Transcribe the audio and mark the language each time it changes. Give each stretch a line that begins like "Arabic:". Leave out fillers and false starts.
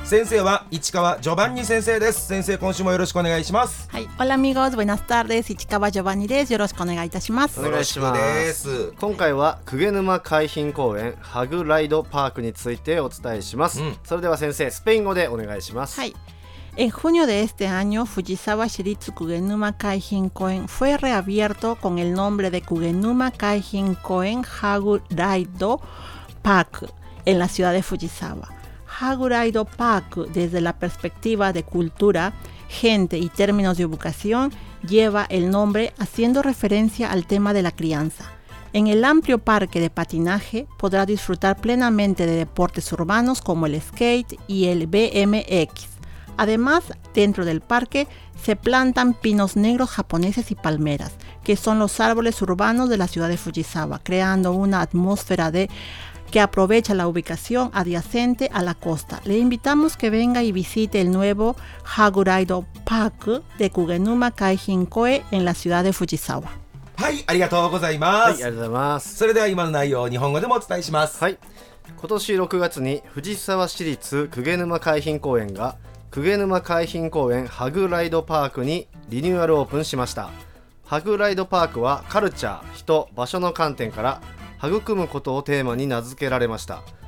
Japanese: 先生は市川ジョバンニ先生です。先生、今週もよろしくお願いします。はい、オラミゴーズブイナスターです。市川ジョバンニです。よろしくお願いいたします。よろしくです。今回は鵠沼海浜公園ハグライドパークについてお伝えします、うん、それでは先生、スペイン語でお願いします。
Spanish: はい、En junio de este año, Fujisawa Shiritsu Kugenuma Kaihin Koen fue reabierto con el nombre de Kugenuma Kaihin Koen Hagu Raido Park en la ciudad de Fujisawa. Hagu Raido Park, desde la perspectiva de cultura, gente y términos de educación, lleva el nombre haciendo referencia al tema de la crianza. En el amplio parque de patinaje podrá disfrutar plenamente de deportes urbanos como el skate y el BMX. Además, dentro del parque se plantan pinos negros japoneses y palmeras, que son los árboles urbanos de la ciudad de Fujisawa, creando una atmósfera que aprovecha la ubicación adyacente a la costa. Le invitamos que venga y visite el nuevo Hagu Raido Park de Kugenuma Kaihin Koe en la ciudad de Fujisawa.
Japanese: はい、ありがとうございます。はい、ありがとうございます。それでは今の内容を日本語でもお伝えします。はい。今年6月に藤沢市立Kugenuma Kaihin Koeが鵠沼海浜公園ハグライドパークにリニューアルオープンしました。ハグライドパークはカルチャー、人、場所の観点から育むことをテーマに名付けられました。